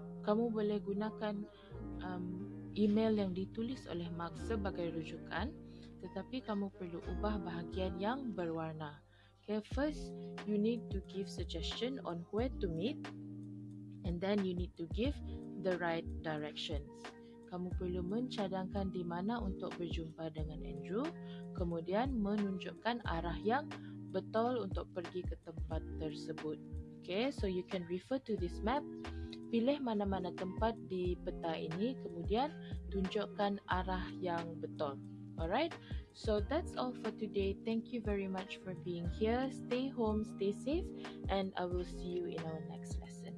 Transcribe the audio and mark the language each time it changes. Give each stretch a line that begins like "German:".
Malay: Kamu boleh gunakan email yang ditulis oleh Mark sebagai rujukan. Tetapi kamu perlu ubah bahagian yang berwarna.
English: Okay, first you need to give suggestion on where to meet. And then you need to give the right directions.
Malay: Kamu perlu mencadangkan di mana untuk berjumpa dengan Andrew. Kemudian menunjukkan arah yang betul untuk pergi ke tempat tersebut.
English: Okay, so you can refer to this map.
Malay: Pilih mana-mana tempat di peta ini. Kemudian tunjukkan arah yang betul.
English: Alright, so that's all for today. Thank you very much for being here. Stay home, stay safe, and I will see you in our next lesson.